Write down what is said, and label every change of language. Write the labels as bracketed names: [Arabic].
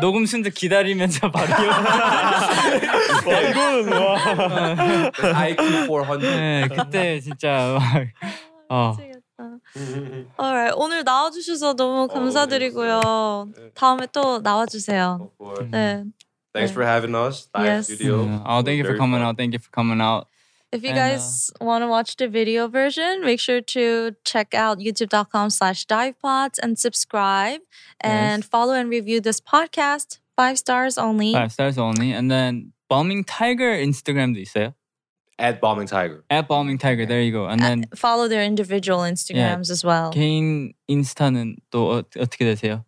[Korean] 녹음 순서 기다리면서 바로. 와 이거는 와. IQ 400. 네, 그때 진짜 막. 미치겠다. [English] Alright, [Korean] 오늘 나와주셔서 너무 감사드리고요. 다음에 또 나와주세요. 네. [English] Thanks for having us. Live studio. Oh, thank you for coming out. Thank you for coming out. If you guys want to watch the video version, make sure to check out youtube.com/divepods and subscribe and follow and review this podcast. 5 stars only. And then [Korean] Balming Tiger Instagram도 있어요? [English] At Bombing Tiger. At Bombing Tiger. There you go. And then follow their individual Instagrams as well. [Korean] 개인 인스타는 또 어떻게 되세요?